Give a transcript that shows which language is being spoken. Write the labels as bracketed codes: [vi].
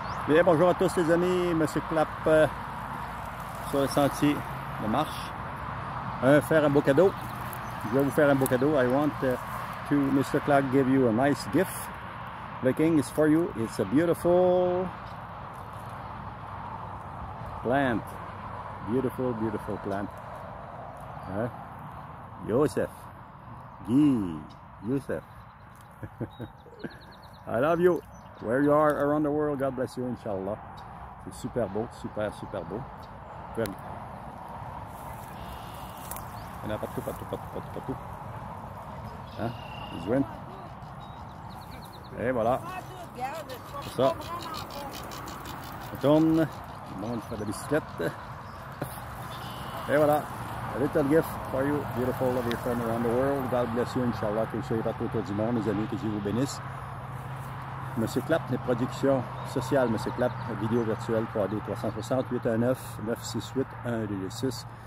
[fr] Bien, bonjour à tous les amis, Monsieur Clap sur le sentier de marche. Faire un beau cadeau. Je vais vous faire un beau cadeau. [en] I want to Mr. Clap give you a nice gift. The king is for you. It's a beautiful plant. Beautiful, beautiful plant. Joseph. Guy. Joseph. I love you. Where you are around the world, God bless you, inshallah. [fr] C'est super beau, super, super beau. Il y en a partout, partout, partout, partout, partout. Hein? Zwin. Et voilà. C'est ça. On tourne. Le monde fait de la bicyclette. Et voilà. [en] A little gift for you, beautiful of your friend around the world. God bless you, inshallah. [fr] Que vous soyez partout autour du monde, mes amis, que Dieu vous bénisse. Monsieur Clap, les productions sociales, Monsieur Clap, vidéo virtuelle, 360-819-968-126.